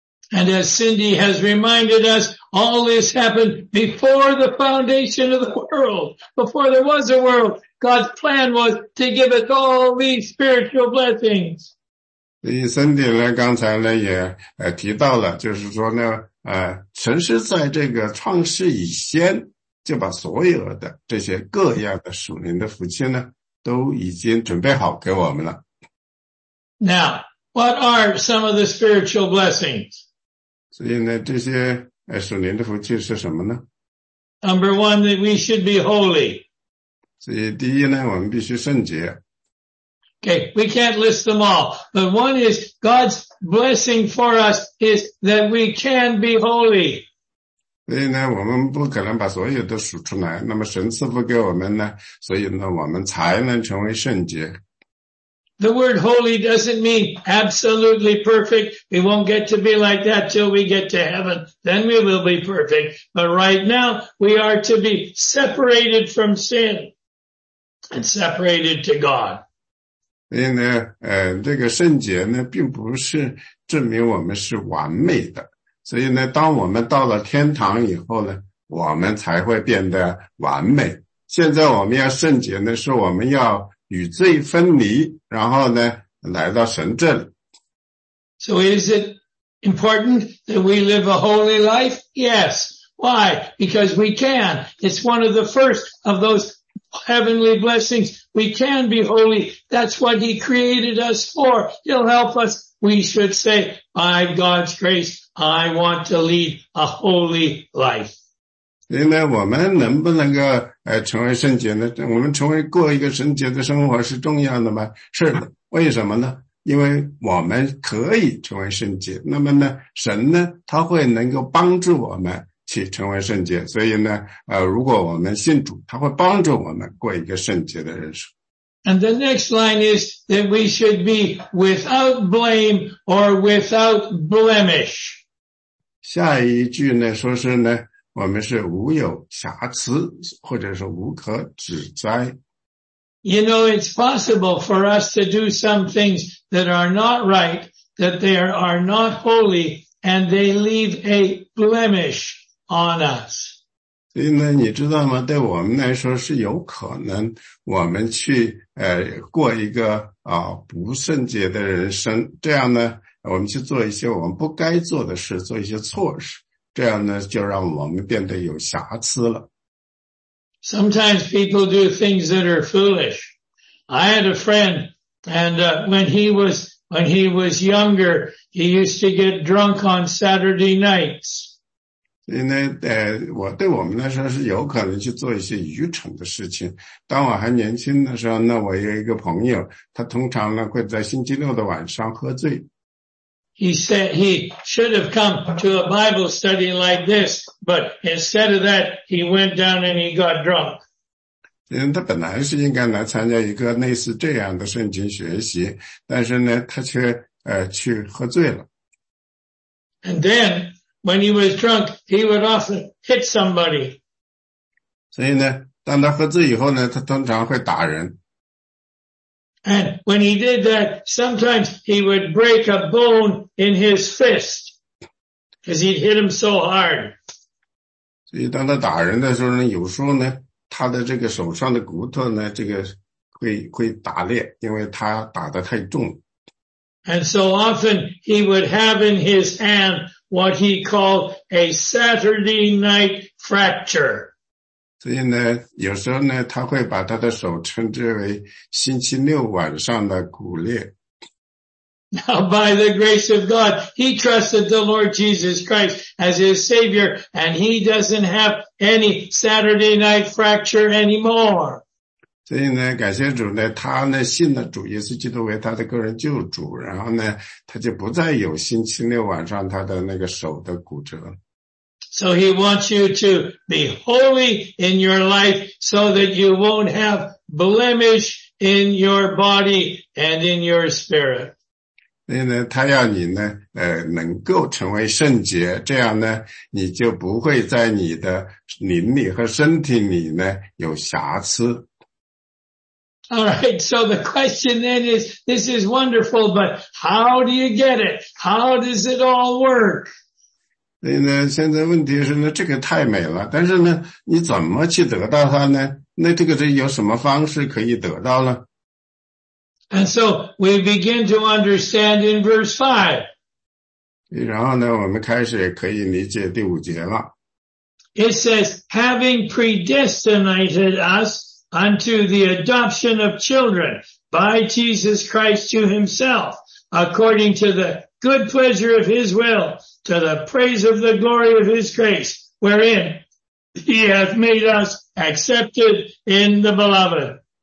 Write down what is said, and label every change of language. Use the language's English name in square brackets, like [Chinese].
[English] And as Cindy has reminded us, all this happened before the foundation of the world. Before there was a world, God's plan was to give us all these spiritual blessings. [Chinese] 所以 Cindy 呢，刚才呢也提到了，就是说呢，神是在这个创世以前就把所有的这些各样的属灵的福气呢，都已经准备好给我们了。 [English] Now, what are some of the spiritual blessings? [Chinese] 所以呢，这些属灵的福气是什么呢？ [English] Number one, that we should be holy. [Chinese] 所以第一呢，我们必须圣洁。 [English] Okay, we can't list them all, but one is God's blessing for us is that we can be holy. [Chinese] 所以呢，我们不可能把所有都数出来，那么神赐福给我们呢，所以呢，我们才能成为圣洁。 [English] The word holy doesn't mean absolutely perfect. We won't get to be like that till we get to heaven. Then we will be perfect. But right now, we are to be separated from sin and separated to God. [Chinese] 所以呢，这个圣洁呢，并不是证明我们是完美的。所以呢，当我们到了天堂以后呢，我们才会变得完美。现在我们要圣洁呢，是我们要与罪分离，然后呢，来到神这里。 [English] So is it important that we live a holy life? Yes. Why? Because we can. It's one of the first of those heavenly blessings. We can be holy. That's what he created us for. He'll help us. We should say, by God's grace, I want to lead a holy life. [Chinese] 所以呢，我们能不能够成为圣洁呢？我们成为过一个圣洁的生活是重要的吗？是的。为什么呢？因为我们可以成为圣洁。那么呢，神呢，他会能够帮助我们去成为圣洁。所以呢，如果我们信主，他会帮助我们过一个圣洁的人生。 [English] And the next line is that we should be without blame or without blemish. [Chinese] 下一句呢，说是呢，我们是无有瑕疵，或者是无可指摘。 [English] You know, it's possible for us to do some things that are not right, that they are not holy, and they leave a blemish on us. [Chinese] 所以呢，你知道吗？对我们来说是有可能，我们去过一个不圣洁的人生，这样呢，我们去做一些我们不该做的事，做一些错事。这样呢，就让我们变得有瑕疵了。 [English] Sometimes people do things that are foolish. I had a friend, and when he was younger, he used to get drunk on Saturday nights. [Chinese] 所以呢，我对我们来说是有可能去做一些愚蠢的事情。当我还年轻的时候，那我有一个朋友，他通常呢会在星期六的晚上喝醉。 [English] He said he should have come to a Bible study like this, but instead of that, he went down and he got drunk. [Chinese] 他本来是应该来参加一个类似这样的圣经学习，但是呢，他却去喝醉了。 [English] And then, when he was drunk, he would often hit somebody. [Chinese] 所以呢，当他喝醉以后呢，他通常会打人。 [English] And when he did that, sometimes he would break a bone in his fist because he'd hit him so hard. [Chinese] 所以当他打人的时候呢，有时候呢，他的这个手上的骨头呢，这个会打裂，因为他打得太重。 [English] And so often he would have in his hand what he called a Saturday night fracture. [Chinese] 所以呢，有时候呢，他会把他的手称之为星期六晚上的骨裂。 [English] Now by the grace of God, he trusted the Lord Jesus Christ as his Savior, and he doesn't have any Saturday night fracture anymore. [Chinese] 所以呢，感谢主呢，他呢信了主耶稣基督为他的个人救主，然后呢，他就不再有星期六晚上他的那个手的骨折。 [English] So he wants you to be holy in your life so that you won't have blemish in your body and in your spirit. [Chinese] 所以呢，他要你呢，能够成为圣洁，这样呢，你就不会在你的灵里和身体里呢有瑕疵。 [English] All right, so the question then is, this is wonderful, but how do you get it? How does it all work? [Chinese] 所以呢，现在问题是呢，这个太美了，但是呢，你怎么去得到它呢？那这个有什么方式可以得到呢？ [English] And so we begin to understand in verse 5. [Chinese] 然后呢，我们开始可以理解第五节了。 [English] It says, having predestinated us,unto the adoption of children by Jesus Christ to himself, according to the good pleasure of his will, to the praise of the glory of his grace, wherein he hath made us accepted in the beloved.